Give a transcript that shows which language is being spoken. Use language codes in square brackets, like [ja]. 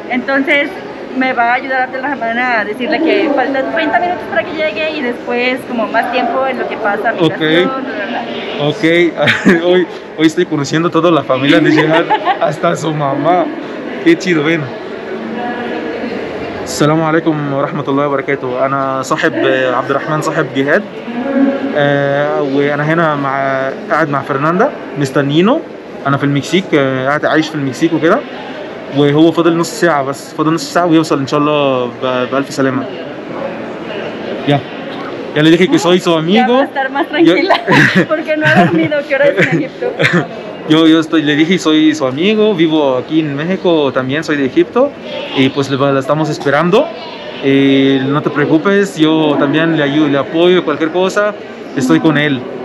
[es] Entonces me va a ayudar a la semana a decirle que faltan 30 minutos para que llegue y después como más tiempo en lo que pasa. Ok. Ok. hoy estoy conociendo toda la familia de Jihad, hasta su mamá. Qué chido, ven. [ar] السلام عليكم ورحمة الله وبركاته. أنا صاحب عبد الرحمن صاحب جهاد. وأنا هنا قاعد مع فرناندا مستنينه. أنا في المكسيك قاعد عايش في المكسيك وكده. وهو فضل نص ساعة بس. فضل نص ساعة ويوصل إن شاء الله بألف سلامة. [en] Yeah. [es] Ya le dije que soy su amigo. Ya va a estar más tranquila. Porque no ha dormido. ¿Qué hora es en Egipto? Yo estoy, le dije, soy su amigo, vivo aquí en México, también soy de Egipto, y pues la estamos esperando. No te preocupes, yo también le ayudo, le apoyo, cualquier cosa, estoy con él.